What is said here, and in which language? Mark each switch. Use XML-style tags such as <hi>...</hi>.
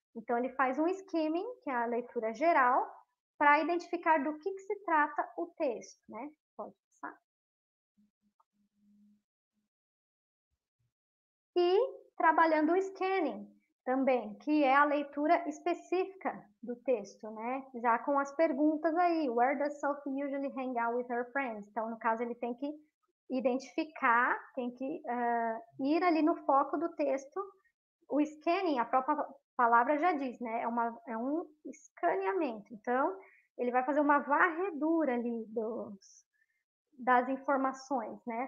<pt>Então ele faz um skimming, que é a leitura geral, para identificar do que se trata o texto, né? Pode passar. E trabalhando o scanning também, que é a leitura específica do texto, né? Já com as perguntas aí,</pt> <en>where does Sophie usually hang out with her friends?</en> <pt>Então, no caso, ele tem que identificar, tem que ir ali no foco do texto, O scanning, a própria palavra já diz, né? É um escaneamento. Então, ele vai fazer uma varredura ali das informações, né?</pt>